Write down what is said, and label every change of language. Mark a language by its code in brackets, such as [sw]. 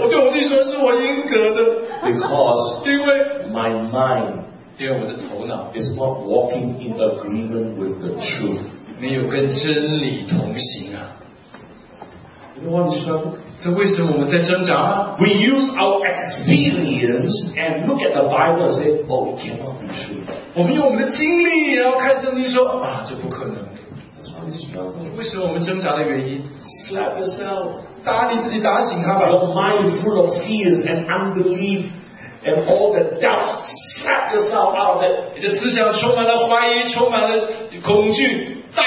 [en] Because my mind is not walking in agreement with the truth. You know what we struggle? We use our experience and look at the Bible and say, oh, it cannot be true. [zh] 我们用我们的经历，然后看圣经说， 这不可能。 [en] Slap yourself. [zh] 打你自己打醒他吧。 [en] Your mind full of fears and unbelief and all the doubts. Slap yourself out of it. [zh] 你的思想充满了怀疑，充满了恐惧。